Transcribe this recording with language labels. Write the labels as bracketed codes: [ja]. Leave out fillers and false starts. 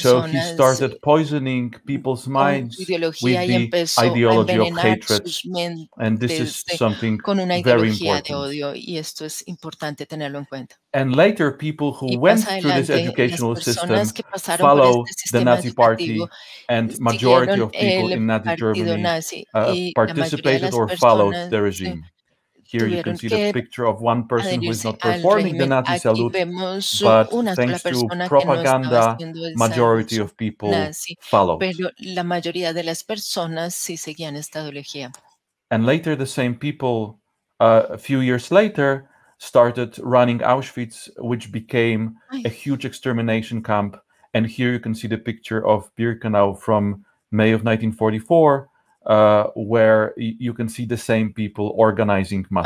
[en] so he started poisoning people's minds with the ideology of hatred, and this is something very important. [es] Odio, y esto es importante tenerlo en cuenta. [en] And later, people who went [es] adelante, [en] through this educational system follow the Nazi Party, and majority of people in Nazi Germany [es] nazi, [en] participated or followed the regime. Here you can see the picture of one person who is not performing the Nazi salute, but thanks to propaganda, [es] no [en] majority of people followed. [es] Pero la mayoría de las personas sí seguían esta ideología. [en] And later, the same people, a few years later, started running Auschwitz, which became a huge extermination camp. And here you can see the picture of Birkenau from May of 1944, where you can see the same people organizing mass